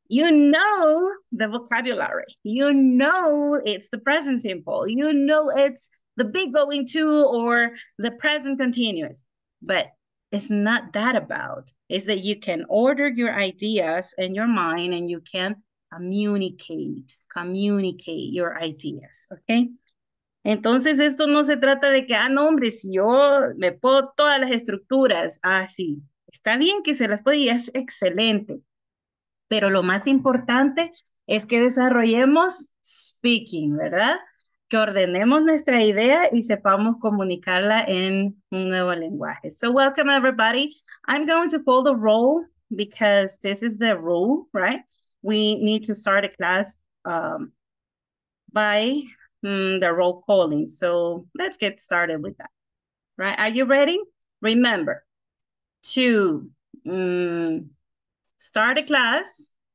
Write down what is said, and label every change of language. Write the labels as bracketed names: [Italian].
[English] You know the vocabulary. You know it's the present simple. You know it's the be going to or the present continuous. But it's not that about. It's that you can order your ideas in your mind and you can communicate your ideas. Okay? [Spanish] Entonces, esto no se trata de que, ah, no, hombre, si yo me puedo todas las estructuras. Ah, sí. Está bien que se las puede y es excelente. Pero lo más importante es que desarrollemos speaking, ¿verdad? Que ordenemos nuestra idea y sepamos comunicarla en un nuevo lenguaje. [English] So welcome everybody. I'm going to call the roll because this is the rule, right? We need to start a class by the roll calling. So let's get started with that. Right? Are you ready? Remember to start a class.